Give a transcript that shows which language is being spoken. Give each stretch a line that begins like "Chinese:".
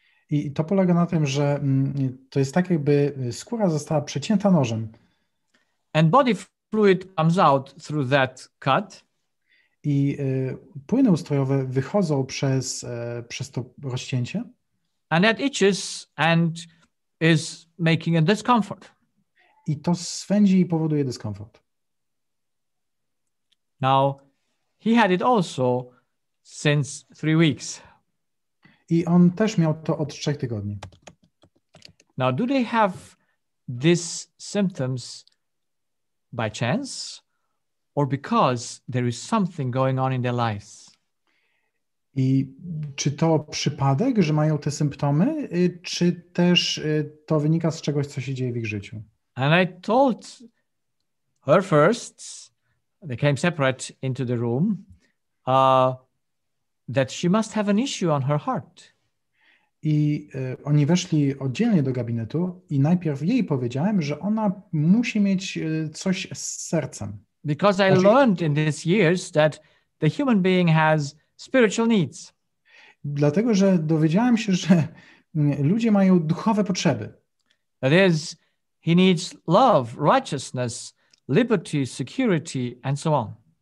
Polish: I to polega na tym, że to jest tak, jakby skóra została przecięta nożem.
English: And body fluid comes out through that cut.
Polish: I płyny ustrojowe wychodzą przez to rozcięcie.
English: And that itches and is making a discomfort.
Polish: I to swędzi i powoduje dyskomfort.
English: Now, he had it also since 3 weeks.
Polish: I on też miał to od 3 tygodni.
English: Now, do they have these symptoms by chance or because there is something going on in their lives?
Polish: I czy to przypadek, że mają te symptomy, czy też to wynika z czegoś, co się dzieje w ich życiu?
English: And I told her first, they came separate into the room, that she must have an issue on her heart.
Polish: I oni weszli oddzielnie do gabinetu i najpierw jej powiedziałem, że ona musi mieć coś z sercem.
English: Because I learned in these years that the human being has spiritual needs.
Polish: Dlatego, że dowiedziałem się, że ludzie mają duchowe potrzeby.
English: That is, he needs love, righteousness, liberty, security, and so on.